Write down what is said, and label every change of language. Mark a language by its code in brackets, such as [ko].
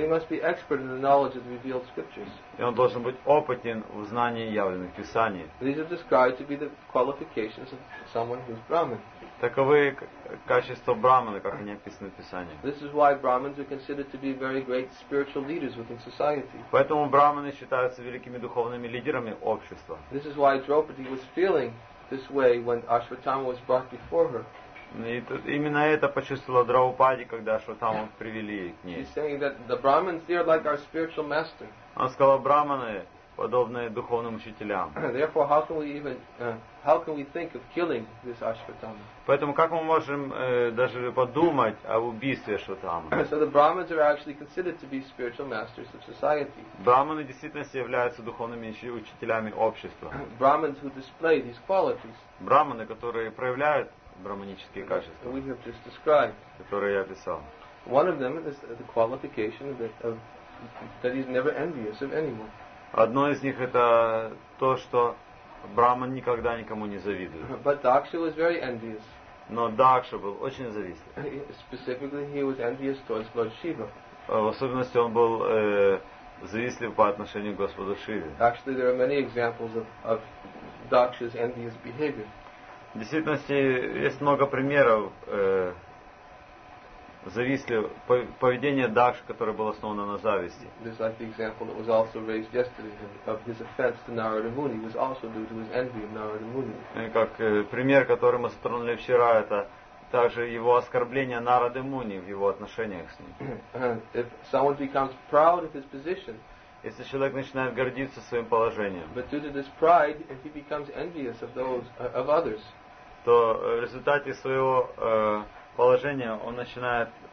[en] And he must be expert in the knowledge of the revealed scriptures. [ru] И он должен быть опытен в знании явленных писаний. [en] These are described to be the qualifications of someone who's Brahmin. [ru] Таковы качества брахмана, как они описаны в Писании. [en] This is why Brahmins are considered to be very great spiritual leaders within society. [ru] Поэтому брахманы считаются великими духовными лидерами общества. [en] This is why Draupadi was feeling this way when Ashwatthama was brought before her. [ru] И тут именно это почувствовала Драупади, когда Ашватама привели к ней. [en] She's saying that the Brahmins are like our spiritual master. [ru] Она сказала, брахманы подобные духовным учителям. [en] Therefore, how can we even how can we think of killing this Ashwatthama? [ru] Поэтому как мы можем даже подумать об убийстве Ашватамы? [en] So the Brahmins are actually considered to be spiritual masters of society. [ru] Брахманы действительно являются духовными учителями общества. [en] Brahmins who display these qualities. [ru] Брахманы, которые проявляют брахманические качества. [en] We have just described. [ru] Которые я описал. [en] One of them is the qualification that he's never envious of anyone. [ru] Одно из них это то, что брахман никогда никому не завидует. [en] But Daksha was very envious. [ru] Но Дакша был очень завистлив. [en] Specifically, he was envious towards Lord Shiva. [ru] В особенности он был завистлив по отношению к Господу Шиве. [en] Actually, there are many examples of Daksha's envious behavior. [ru] В действительности есть много примеров зависли поведение Дакши, которое было основано на зависти. [en] This is like the example that was also raised yesterday of his offense to Narada Muni. It was also due to his envy of Narada Muni. [ru] Как пример, который мы затронули вчера, это также его оскорбление Нарады Муни в его отношениях с ним. [en] If someone becomes proud of his position, [ru] если человек начинает гордиться своим положением, [en] but due to this pride, if he becomes envious of those of others, [ru] то в результате своего положение, он начинает